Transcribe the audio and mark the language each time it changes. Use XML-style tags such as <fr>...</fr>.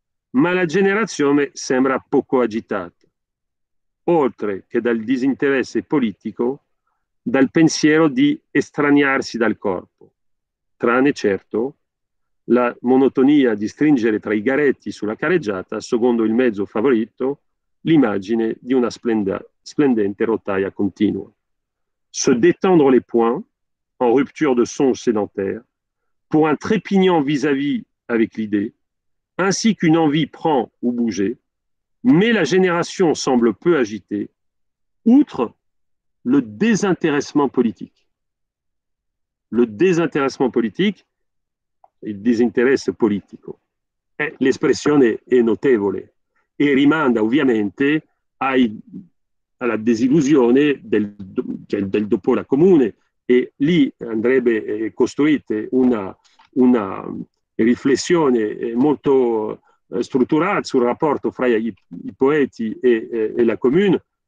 <it>Ma la generazione sembra poco agitata, oltre che dal disinteresse politico, dal pensiero di estraniarsi dal corpo, tranne certo la monotonia di stringere tra i garetti sulla carreggiata, secondo il mezzo favorito, l'immagine di una splendente rotaia continua.</it> <fr>Se détendre les poings, en rupture de songe sédentaire, pour un trépignant vis-à-vis avec l'idée, ainsi qu'une envie prend ou bouger, mais la génération semble peu agitée, outre le désintéressement politique. Le désintéressement politique,</fr> <it>il disinteresse politico. L'espressione è notevole e rimanda ovviamente alla disillusione del dopo la comune, e lì andrebbe costruita una riflessione molto strutturata sul rapporto fra i poeti e la comune.</it>